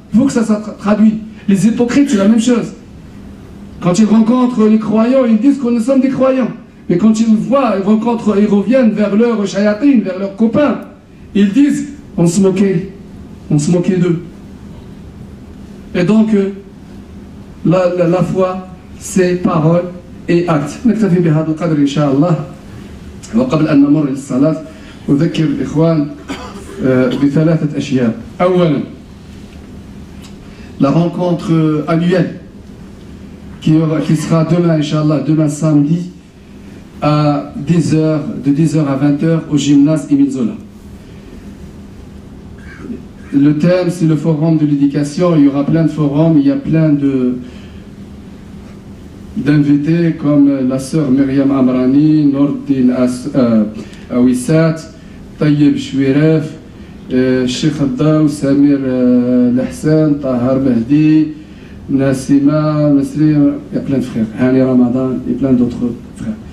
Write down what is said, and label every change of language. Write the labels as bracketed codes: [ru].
[fr] Il faut que ça soit traduit. Les hypocrites, c'est la même chose. Quand ils rencontrent les croyants, ils disent qu'on est des croyants. Mais quand ils voient, ils rencontrent, ils reviennent vers leur shayatin, vers leurs copains, ils disent, on se moquait d'eux. Et donc, la foi, c'est parole et acte. [ar] نكتفي بهذا القدر إن شاء الله. وقبل أن نمر للصلاة أذكر الإخوان بثلاثة أشياء. [fr] أولا, la rencontre annuelle qui sera demain, inshallah, demain samedi, à 10h, de 10h à 20h au gymnase Émile Zola. Le thème, c'est le forum de l'éducation. Il y aura plein de forums, il y a plein d'invités comme la sœur Myriam Amrani, Nordin Awissat, Tayyib Chouiref, Cheikh Abdaou, Samir Lahsan, Tahar Mehdi, Nassima, Nasri, il y a plein de frères, Hani Ramadan et plein d'autres frères.